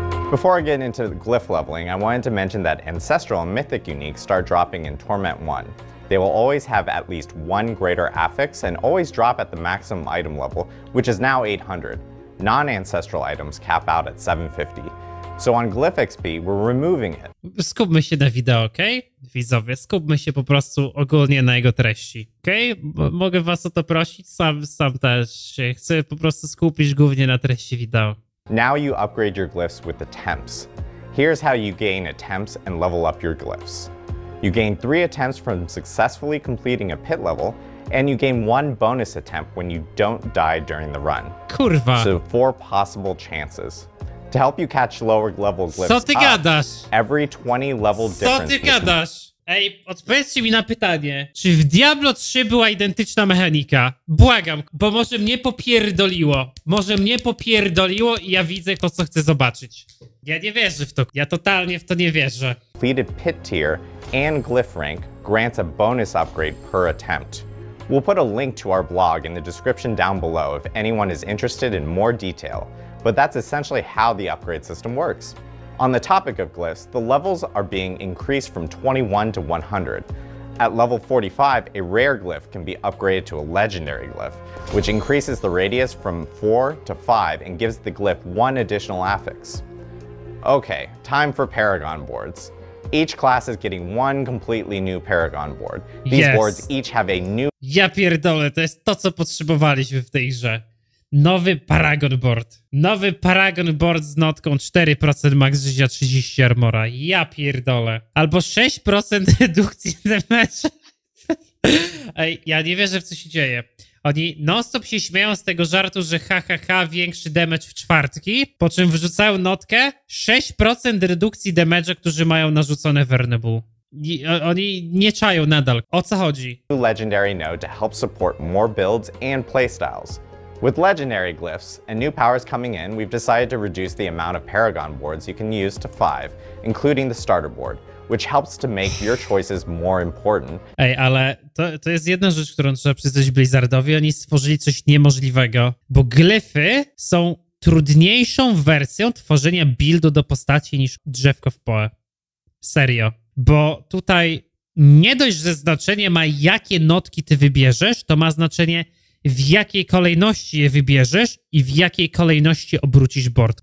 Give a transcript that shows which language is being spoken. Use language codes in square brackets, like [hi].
[en] Before I get into the glyph leveling, I wanted to mention that Ancestral and Mythic uniques start dropping in Torment 1. They will always have at least one greater affix and always drop at the maximum item level, which is now 800. Non-ancestral items cap out at 750. So on Glyph XP, we're removing it. [pl] Skupmy się na wideo, okej? Okay? Widzowie, skupmy się po prostu ogólnie na jego treści, okej? Okay? Mogę was o to prosić? Sam też się chcę po prostu skupić głównie na treści wideo. [en] Now you upgrade your glyphs with the temps. Here's how you gain attempts and level up your glyphs. You gain 3 attempts from successfully completing a pit level, and you gain 1 bonus attempt when you don't die during the run. [pl] Kurwa. [en] So 4 possible chances. To help you catch lower level glyphs, [pl] co ty gadasz? [en] Every 20 level [pl] co [en] difference. [pl] Co ty gadasz? Ej, odpowiedzcie mi na pytanie, czy w Diablo 3 była identyczna mechanika? Błagam, bo może mnie popierdoliło. Może mnie popierdoliło i ja widzę to, co chcę zobaczyć. Ja nie wierzę w to. Ja totalnie w to nie wierzę. [en] Completed pit tier and glyph rank grants a bonus upgrade per attempt. We'll put a link to our blog in the description down below if anyone is interested in more detail, but that's essentially how the upgrade system works. On the topic of glyphs, the levels are being increased from 21 to 100. At level 45, a rare glyph can be upgraded to a legendary glyph, which increases the radius from 4 to 5 and gives the glyph 1 additional affix. Okay, time for paragon boards. Each class is getting 1 completely new paragon board. These yes. boards each have a new... [pl] Ja pierdolę, to jest to, co potrzebowaliśmy w tej grze. Nowy paragon board. Nowy paragon board z notką 4% max życia, 30 armora. Ja pierdolę. Albo 6% redukcji damage. Ej, ja nie wierzę, w co się dzieje. Oni non-stop się śmieją z tego żartu, że hahaha, większy damage w czwartki, po czym wrzucają notkę 6% redukcji damage'a, którzy mają narzucone vulnerable. Oni nie czają nadal. O co chodzi? [en] Legendary node to help support more builds and playstyles. With legendary glyphs and new powers coming in, we've decided to reduce the amount of paragon boards you can use to 5, including the starter board, which helps to make your choices more important. [pl] Ej, ale to jest jedna rzecz, którą trzeba przyznać Blizzardowi. Oni stworzyli coś niemożliwego, bo glyfy są trudniejszą wersją tworzenia buildu do postaci niż drzewko w PoE. Serio. Bo tutaj nie dość, że znaczenie ma, jakie notki ty wybierzesz, to ma znaczenie, w jakiej kolejności je wybierzesz i w jakiej kolejności obrócisz board.